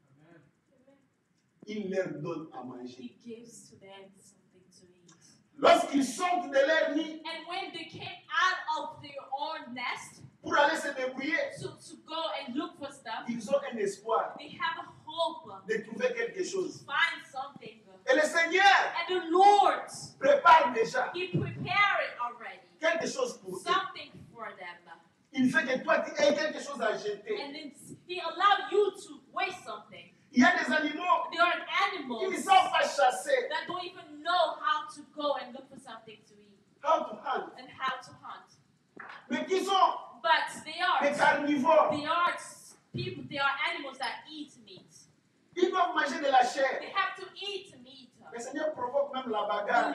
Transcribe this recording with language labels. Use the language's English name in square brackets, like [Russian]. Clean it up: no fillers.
[French] Amen. Il leur donne à manger. [English] He gives to them something to eat. [French] Lorsqu'ils sortent de leur nid, [English] and when they came out of their own nest, [French] pour aller se débrouiller, [English] to go and look for stuff, [French] ils ont un espoir. [English] They have a hope [French] de trouver quelque chose. [English] To find something. [French] Et le Seigneur, [English] and the Lord, [French] prépare déjà. [English] He prepared it already. [French] Quelque chose pour [English] something [French] eux. [English] For them. [French] Il fait fait que toi, tu aies quelque chose à jeter. [English] And then he allowed you to waste something. [French] Il y a des animaux. [English] There are animals. [French] Qui ne savent pas chasser. [English] That don't even know how to go and look for something to eat. How to hunt. And how to hunt. [French] Mais qui sont? [English] But they are. [French] Des carnivores. [English] They are people. They are animals that eat meat. [French] Ils doivent manger de la chair. [English] They have to eat meat. [French] Le Seigneur provoque même la bagarre.